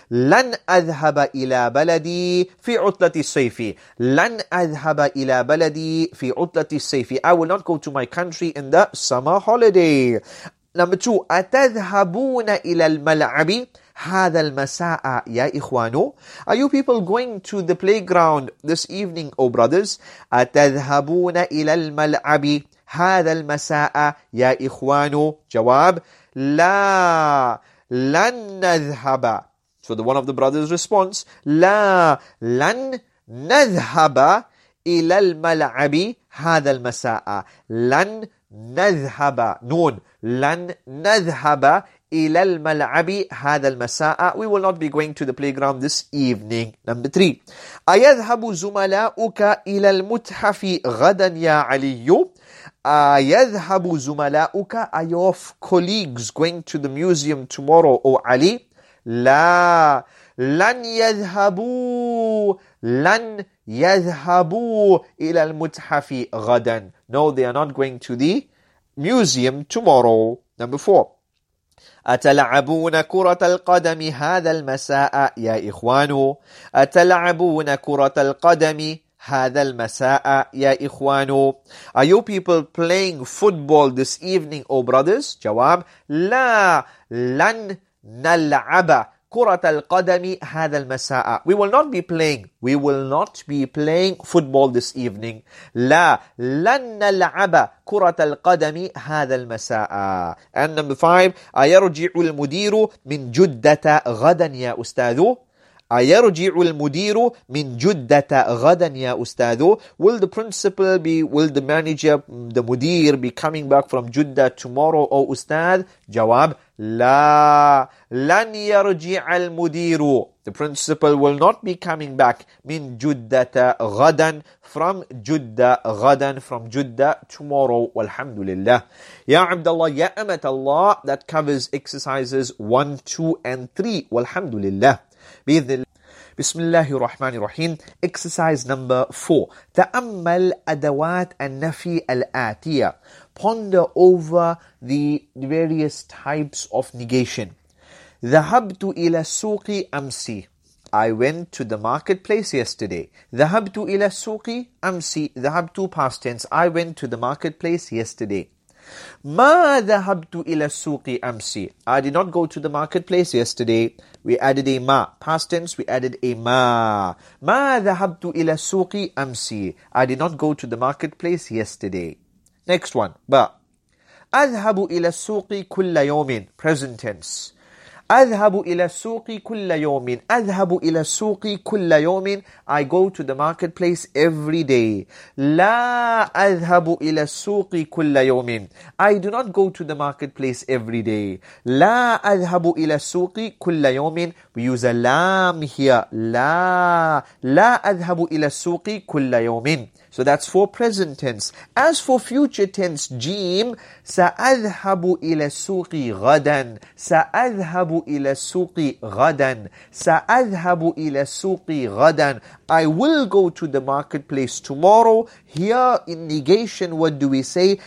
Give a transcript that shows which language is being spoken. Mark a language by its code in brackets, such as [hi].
[ar] لن أذهب إلى بلدي في عطلة الصيف. لن أذهب إلى بلدي في عطلة الصيف. [en] I will not go to my country in the summer holiday. Number 2, [ar] أتذهبون إلى الملعب هذا المساء يا إخوانو. [en] Are you people going to the playground this evening, oh brothers? [ar] أتذهبون إلى الملعب هذا المساء يا إخوانو. جواب, لا, لن نذهب. [en] So the one of the brothers responds, [ar] لا, لن نذهب إلى الملعب هذا المساء. لن نذهب. نون. لن نذهب إلى الملعب هذا المساء. [en] We will not be going to the playground this evening. Number 3. [ar] أيذهب زملاؤك إلى المتحف غدا يا علي؟ أيذهب زملاؤك, [en] are your colleagues going to the museum tomorrow, [ar] أو علي؟ لا, لن يذهبوا. لن يذهبوا إلى المتحف غدا. [en] No, they are not going to the museum tomorrow. Number 4. [ar] أتلعبون كرة القدم هذا المساء يا إخوانو. أتلعبون كرة القدم هذا المساء يا إخوانو. [en] Are you people playing football this evening, oh brothers? [ar] جواب, لا, لن نلعب كرة القدم هذا المساء. [en] We will not be playing. We will not be playing football this evening. [ar] لا, لن نلعب كرة القدم هذا المساء. [en] And number 5. [ar] أيرجع المدير من جدة غدا يا أستاذ؟ [en] أيرجع المدير من جدة غدا يا أستاذ؟ Will the principal be, will the manager, the مدير be coming back from Jeddah tomorrow, oh أستاذ? [ar] جواب, لا, لن يرجع المدير. [en] The principal will not be coming back [ar] من جدة غدا, [en] from جدة غدا, from جدة tomorrow, [ar] والحمد لله. يا عبد الله يا أمة الله, [en] that covers exercises 1, 2 and 3, [ar] والحمد لله. بسم الله الرحمن الرحيم. [en] Exercise number 4. [ar] تأمل أدوات النفي الآتية. [en] Ponder over the various types of negation. [ar] ذهبت إلى السوق أمس. [en] I went to the marketplace yesterday. [ar] ذهبت إلى السوق أمس. [en] ذهبت past tense. I went to the marketplace yesterday. [ar] ما ذهبت إلى السوق أمس. [en] I did not go to the marketplace yesterday. We added a ما. Past tense, we added a ما. [ar] ما ذهبت إلى السوق أمس. [en] I did not go to the marketplace yesterday. Next one. [ar] ب. أذهب إلى السوق كل يوم. [en] Present tense. [ar] أذهب إلى السوق كل يوم. أذهب إلى السوق كل يوم. [en] I go to the marketplace every day. [ar] لا أذهب إلى السوق كل يوم. [en] I do not go to the marketplace every day. [ar] لا أذهب إلى السوق كل يوم. [en] We use a lam here. [ar] لا. لا أذهب إلى السوق كل يوم. [en] So that's for present tense. As for future tense, jim, [ar] سأذهب إلى السوق غدا. سأذهب إلى السوق غدا. سأذهب إلى السوق غدا. [en] I will go to the marketplace tomorrow. Here in negation, what do we say?